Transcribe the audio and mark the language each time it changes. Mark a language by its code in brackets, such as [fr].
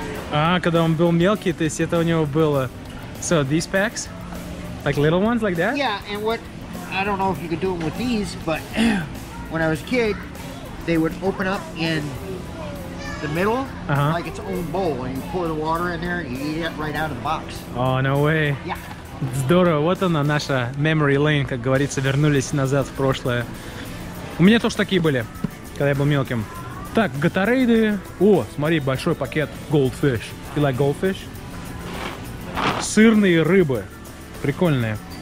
[ru] А, когда он был мелкий, то есть это у него было. [en] So, these packs? Like little ones, like that? Yeah, and what, I don't know if you could do them with these, but when I was a kid, they would open up in the middle, uh-huh. like its own bowl, and you pour the water in there, and you eat it right out of the box. Oh, no way. Yeah. [ru] Здорово, вот она, наша [en] memory lane, [ru] как говорится, вернулись назад в прошлое. У меня тоже такие были, когда я был мелким. Так, Gatorade. О, смотри, большой пакет Goldfish. [en] You like Goldfish? [ru] Сырные рыбы. Прикольные.